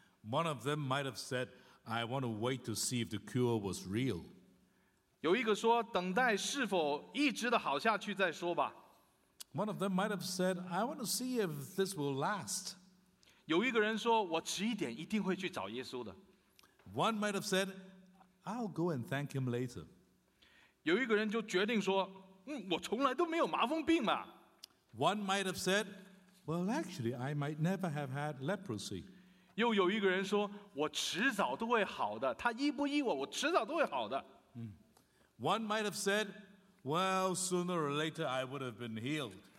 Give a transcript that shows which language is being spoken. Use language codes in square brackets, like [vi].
[en] One of them might have said, "I want to wait to see if the cure was real." [zh] 有一个说，等待是否一直的好下去再说吧。 [en] One of them might have said, "I want to see if this will last." [zh] 有一个人说，我迟一点一定会去找耶稣的。 [en] One might have said, "I'll go and thank him later." [zh] 有一个人就决定说，我从来都没有麻风病嘛。 [en] One might have said, "Well, actually, I might never have had leprosy." [zh] 又有一个人说，我迟早都会好的。他医不医我，我迟早都会好的。 [en] One might have said, "Well, sooner or later, I would have been healed."